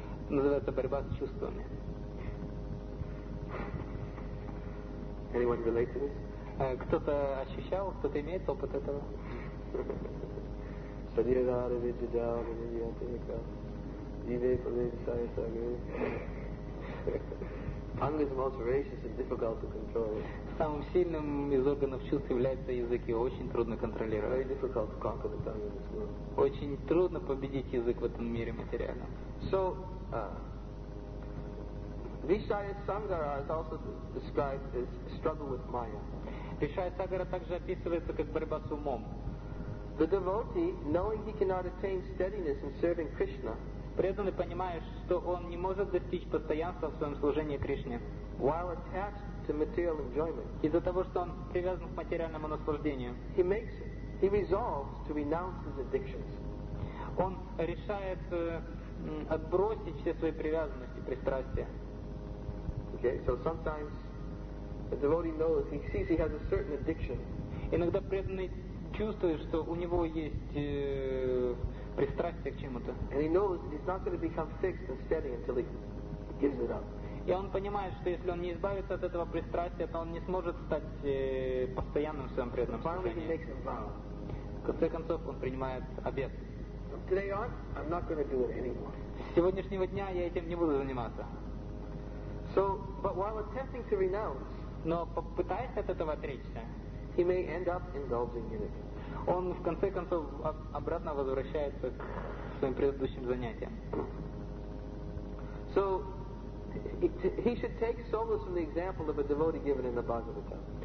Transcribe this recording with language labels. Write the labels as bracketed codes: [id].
[ru] Называется борьба с чувствами. [en] Anyone relate to this? [ru] Кто-то ощущал, кто-то имеет опыт этого? Садирадара виджидара виджидатика. [en] Tongue is most voracious and difficult to control. [ru] Самым сильным из органов чувств является язык, и очень трудно контролировать. [en] Very difficult to conquer the tongue in this world. [ru] Очень трудно победить язык в этом мире материальном. [en] So, Vishaya Sangara is also described as struggle with Maya. [ru] Vishaya Sangara также описывается как борьба с умом. [en] The devotee, knowing he cannot attain steadiness in serving Krishna, [ru] преданный понимает, что он не может достичь постоянства в своем служении Кришне. [en] While attached to material enjoyment, [ru] из-за того, что он привязан к материальному наслаждению, [en] he resolves to renounce his addictions. [ru] Он решает отбросить все свои привязанности, пристрастия. [en] Okay, so sometimes a devotee knows he sees he has a certain addiction. [ru] Иногда преданный чувствует, что у него есть пристрастие к чему-то. [en] And he knows he's not going to become fixed and steady until he gives it up. [ru] И он понимает, что если он не избавится от этого пристрастия, то он не сможет стать постоянным в своем преданном служении. [en] Finally, he makes a vow. [ru] В конце концов, он принимает обет. [en] From today on, I'm not going to do it anymore. [ru] С сегодняшнего дня я этим не буду заниматься. [en] So, but while attempting to renounce, [ru] но попытаясь от этого отречься, [en] he may end up indulging in it. [ru] Он в конце концов обратно возвращается к своим предыдущим занятиям. [en] So he should take solace from the example of a devotee given in the Bhagavata.